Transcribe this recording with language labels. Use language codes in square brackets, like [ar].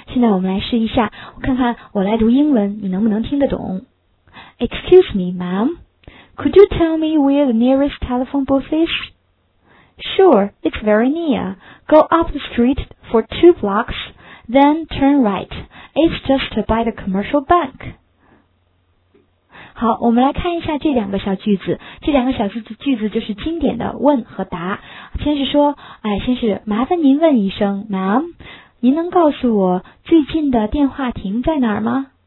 [zh] 现在我们来试一下，我看看我来读英文，你能不能听得懂。 [en] Excuse me, ma'am. Could you tell me where the nearest telephone booth is? Sure, it's very near. Go up the street for 2 blocks, then turn right. It's just by the commercial bank. [zh] 好，我们来看一下这两个小句子。这两个小句子就是经典的问和答。先是说，哎，先是麻烦您问一声 ，Ma'am， 您能告诉我最近的电话亭在哪儿吗？